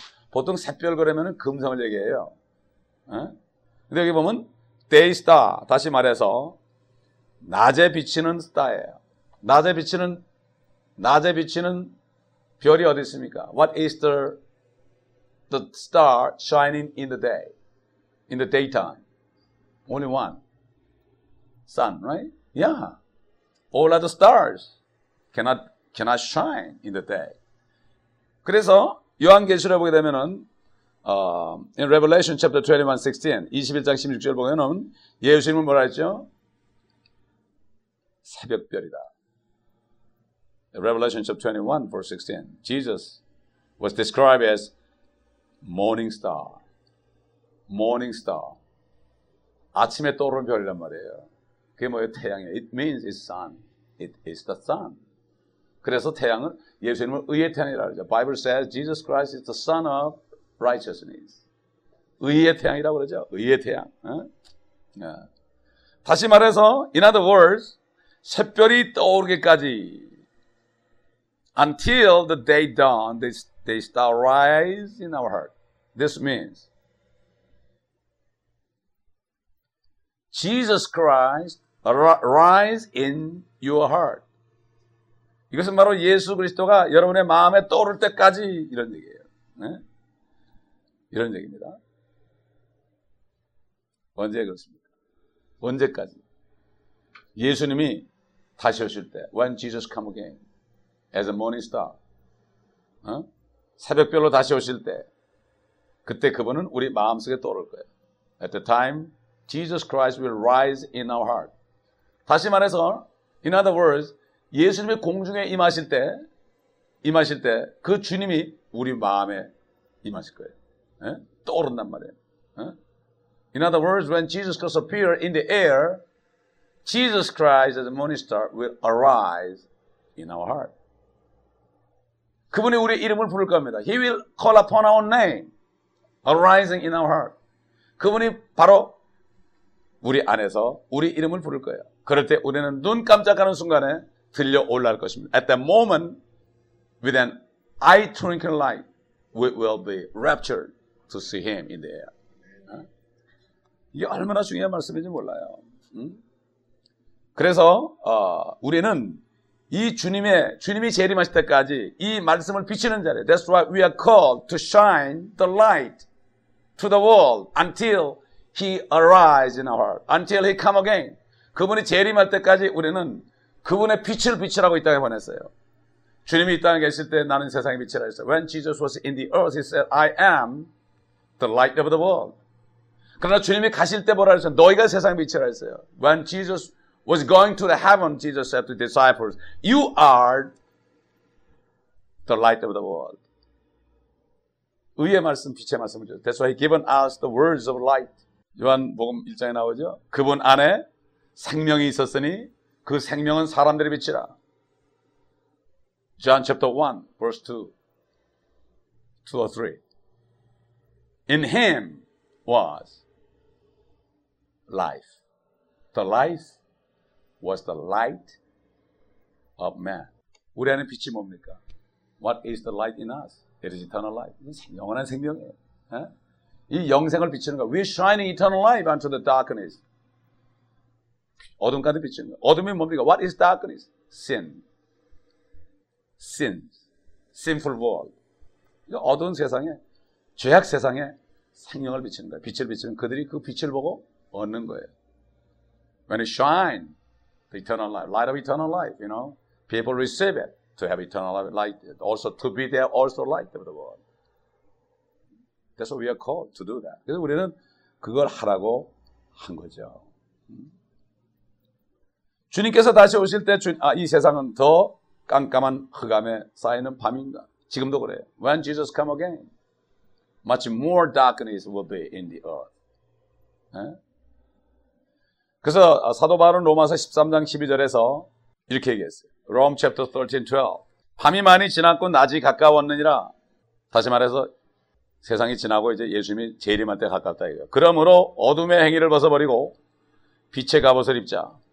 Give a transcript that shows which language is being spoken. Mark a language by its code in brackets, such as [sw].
[ko] 보통 샛별 그러면 금성을 얘기해요. 근데 여기 보면 day star. 다시 말해서 낮에 비치는 star예요. 낮에 비치는 낮에 비치는 별이 어디 있습니까? [en] What is the star shining in the day? In the daytime. Only one. Sun, right? Yeah. All other stars cannot shine in the day. [ko] 그래서 요한계시록을 보게 되면은 [en] in Revelation chapter 21:16, [ko] 21장 16절을 보면은 예수님은 뭐라 했죠? 새벽별이다. [en] Revelation chapter 21, verse 16. Jesus was described as morning star. Morning star. [ko] 아침에 떠오르는 별이란 말이에요. 그게 뭐예요? 태양이에요. [en] It means it's sun. It is the sun. [ko] 그래서 태양은 예수님을 의의 태양이라고 하죠. [en] Bible says Jesus Christ is the son of righteousness. [ko] 의의 태양이라고 그러죠. 의의 태양. 응? 응. 다시 말해서, [en] in other words, [ko] 샛별이 떠오르기까지 [en] Until the day dawn, they start rise in our heart. This means Jesus Christ rise in your heart. [ko] 이것은 바로 예수 그리스도가 여러분의 마음에 떠오를 때까지 이런 얘기예요. 네? 이런 얘기입니다. 언제 그렇습니까? 언제까지? 예수님이 다시 오실 때, [en] When Jesus come again, as a morning star, [ko] 어? 새벽별로 다시 오실 때, 그때 그분은 우리 마음속에 떠오를 거예요. [en] At the time, Jesus Christ will rise in our heart. [ko] 다시 말해서, [en] in other words, [ko] 예수님이 공중에 임하실 때, 그 주님이 우리 마음에 임하실 거예요. 에? 떠오른단 말이에요. 에? [en] In other words, when Jesus Christ appears in the air, Jesus Christ as a morning star will arise in our heart. [ko] 그분이 우리의 이름을 부를 겁니다. [en] He will call upon our name, arising in our heart. [ko] 그분이 바로 우리 안에서 우리 이름을 부를 거예요. 그럴 때 우리는 눈 깜짝하는 순간에 들려 올라갈 것입니다. [en] At that moment, with an eye twinkling light, we will be raptured to see him in the air. [ko] 이게 얼마나 중요한 말씀인지 몰라요. 그래서 우리는 이 주님이 재림하실 때까지 이 말씀을 비추는 자리. [en] That's why we are called to shine the light to the world until he arises in our heart. Until he come again. [ko] 그분이 재림할 때까지 우리는 그분의 빛을 비추라고 이 땅에 보냈어요. 주님이 이 땅에 계실 때 나는 세상에 빛이라 했어요. [en] When Jesus was in the earth, he said, I am the light of the world. [ko] 그러나 주님이 가실 때 뭐라 했어요? 너희가 세상에 빛이라 했어요. [en] When Jesus was going to the heaven, Jesus said to the disciples, You are the light of the world. [ko] 의의 말씀, 빛의 말씀이죠. [en] That's why he given us the words of light. [ko] 요한복음 1장에 나오죠. 그분 안에 생명이 있었으니 그 생명은 사람들의 빛이라. [en] John chapter 1, verse 2 or 3. In him was life. The life was the light of man. [ko] 우리 안에 빛이 뭡니까? [en] What is the light in us? It is eternal life. [ko] 영원한 생명이에요. 이 영생을 비추는 거. [en] We're shining eternal life unto the darkness. [ko] 어둠까지 비추는 거. 어둠이 뭡니까? [en] What is darkness? Sin. Sins. Sinful world. [ko] 그러니까 어두운 세상에, 죄악 세상에 생명을 비추는 거예요. 빛을 비추면 그들이 그 빛을 보고 얻는 거예요. [en] When it shine, the eternal life, light of eternal life, you know, people receive it to have eternal life, light, also to be there, also light of the world. That's what we are called to do that. [ko] 그래서 우리는 그걸 하라고 한 거죠. 주님께서 다시 오실 때, 이 세상은 더 깜깜한 흑암에 쌓이는 밤인가? 지금도 그래요. [en] When Jesus come again, much more darkness will be in the earth. [ko] 네? 그래서 사도 바울은 로마서 13장 12절에서 이렇게 얘기했어요. [en] Rome chapter 13, 12. [ko] 밤이 많이 지났고 낮이 가까웠느니라. 다시 말해서 세상이 지나고 이제 예수님이 재림할 때 가깝다 이거예요. 그러므로 어둠의 행위를 벗어버리고 빛의 갑옷을 입자.